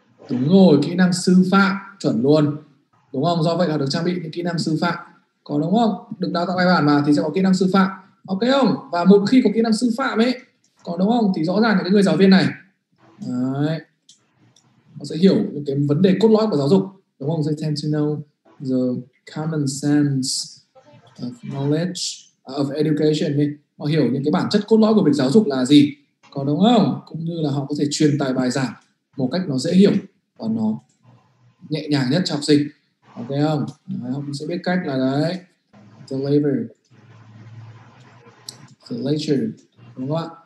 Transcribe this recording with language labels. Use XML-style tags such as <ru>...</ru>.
<vi>Đúng rồi, kỹ năng sư phạm. Chuẩn luôn, đúng không? Do vậy họ được trang bị những kỹ năng sư phạm. Có đúng không? Được đào tạo bài bản mà thì sẽ có kỹ năng sư phạm. Ok không? Và một khi có kỹ năng sư phạm ấy, có đúng không? Thì rõ ràng là cái người giáo viên này Đấy. Họ sẽ hiểu những cái vấn đề cốt lõi của giáo dục, đúng không?</vi> <en>They tend to know the common sense of knowledge of education.</en> <vi>Họ hiểu những cái bản chất cốt lõi của việc giáo dục là gì, có đúng không? Cũng như là họ có thể truyền tải bài giảng một cách nó dễ hiểu và nó nhẹ nhàng nhất cho học sinh. Ok không? Đấy, họ cũng sẽ biết cách là đấy.</vi> <en>Deliver the lecture,</en> <vi>đúng không ạ?</vi>